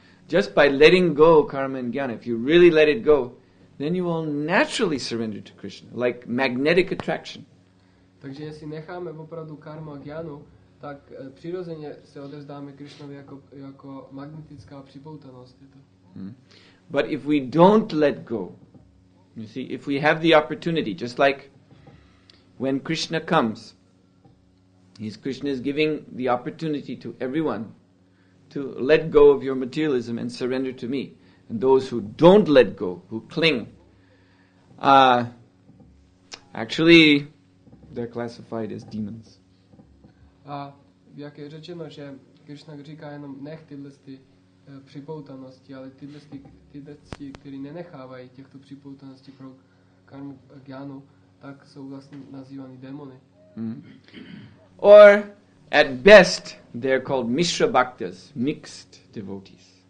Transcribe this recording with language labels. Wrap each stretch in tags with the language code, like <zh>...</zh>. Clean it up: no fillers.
<en>Just by letting go karma and jnana, if you really let it go, then you will naturally surrender to Krishna, like magnetic attraction.</en> <cs>Takže jestli necháme opravdu karma a jnanu, tak přirozeně se odevzdáme Krishnovi jako magnetická připoutanost.</cs> <en>But if we don't let go, you see, if we have the opportunity, just like when Krishna comes, Krishna is giving the opportunity to everyone to let go of your materialism and surrender to me. And those who don't let go, who cling, actually, they're classified as demons.</en> <cs>A jak je řečeno, že Krishna říká jenom nech tyhle připoutanosti, ale tyhle ty, kteří nenechávají těchto připoutaností pro karmu jnanu, tak jsou vlastně nazývány démony.</cs> <en>Or at best they're called mishra bhaktas, mixed devotees.</en>